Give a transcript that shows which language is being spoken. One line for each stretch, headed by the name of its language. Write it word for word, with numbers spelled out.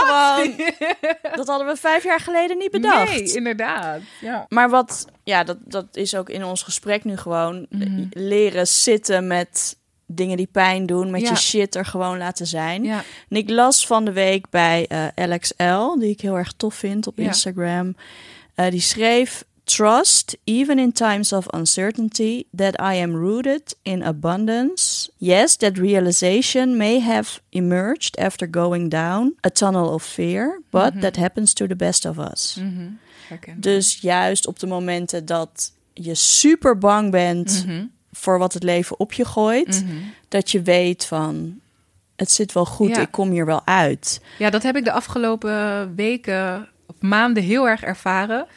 Dutch: gewoon Dat hadden we vijf jaar geleden niet bedacht. Nee, inderdaad. Ja. Maar wat, ja, dat, dat is ook in ons gesprek nu gewoon eh, leren zitten met dingen die pijn doen, met Ja. je shit er gewoon laten zijn. Ja. En ik las van de week bij eh, L X L, die ik heel erg tof vind op Ja. Instagram. Eh, die schreef:
English: Trust, even in times of uncertainty, that I am rooted in abundance. Yes, that realization may have emerged after going down a tunnel of fear, but that happens to the best of us.
Dutch: Herken. Dus juist op de momenten dat je super bang bent voor wat het leven op je gooit, dat je weet van, het zit wel goed, Ja. ik kom hier wel uit. Ja, dat heb ik de afgelopen weken of maanden heel erg ervaren.